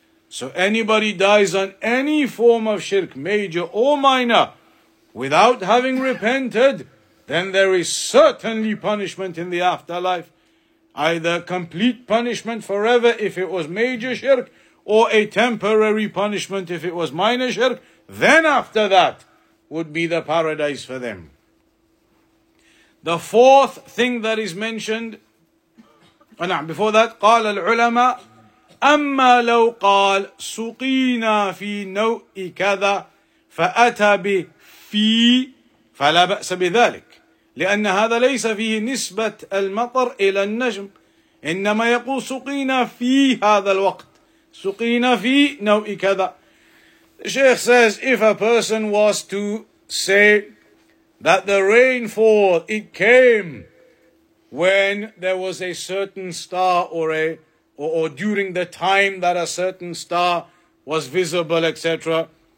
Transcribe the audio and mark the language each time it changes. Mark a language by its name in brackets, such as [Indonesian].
[English] So anybody dies on any form of shirk, major or minor, without having repented, then there is certainly punishment in the afterlife. Either complete punishment forever if it was major shirk, or a temporary punishment if it was minor shirk. Then after that would be the paradise for them. The fourth thing that is mentioned, before that, [Arabic] قال العلماء أما لو قال سقينا في نوء كذا فأتى بفي فلا بأس بذلك لأن هذا ليس فيه نسبة المطر إلى النجم إنما يقول سقينا في هذا الوقت سقينا في نوء كذا. [English] The Sheikh says, if a person was to say that the rainfall, it came when there was a certain star or during the time that a certain star was visible, etc.